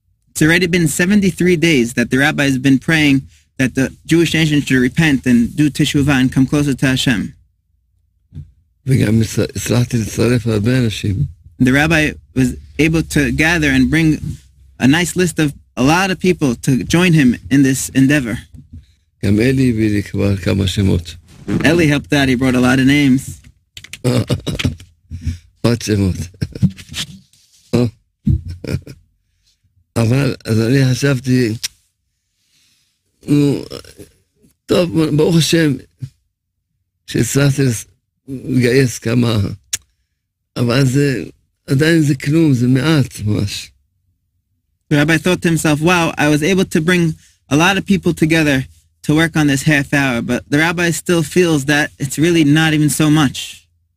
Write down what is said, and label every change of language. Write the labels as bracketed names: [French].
[English] It's already been 73 days that the rabbi has been praying that the Jewish nation should repent and do teshuvah and come closer to Hashem. [Hebrew] וגם הצלחתי לצרף הרבה אנשים. [English] The rabbi was able to gather and bring a nice list of a lot of people to join him in this endeavor. [Hebrew] גם אלי הביא לי כבר כמה שמות. [English] אלי helped out, he brought a lot of names. [Hebrew] עוד שמות. אבל אז אני חשבתי, נו, טוב, ברוך השם, שהצלחתי לגייס כמה, אבל זה, עדיין זה כלום, זה מעט ממש. [English] The rabbi thought to himself, wow, I was able to bring a lot of people together to work on this half hour, but the rabbi still feels that it's really not even so much.